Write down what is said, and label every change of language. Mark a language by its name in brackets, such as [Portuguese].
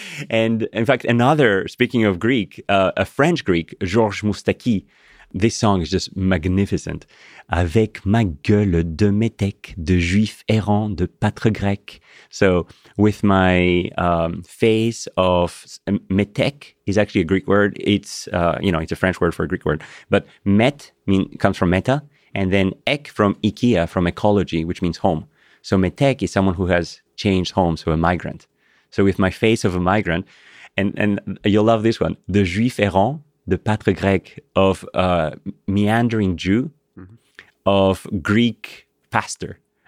[English] And in fact, another, speaking of Greek, a French Greek, Georges Moustaki, this song is just magnificent. [French] Avec ma gueule de métèque, de juif errant, de pâtre grec. [English] So with my face of métèque is actually a Greek word. It's, you know, it's a French word for a Greek word. But met comes from meta, and then ek from IKEA, from ecology, which means home. So métèque is someone who has changed home, so a migrant. So with my face of a migrant, and you'll love this one, [French] de juif errant, [English] the pâtre grec, of meandering Jew, of Greek pastor.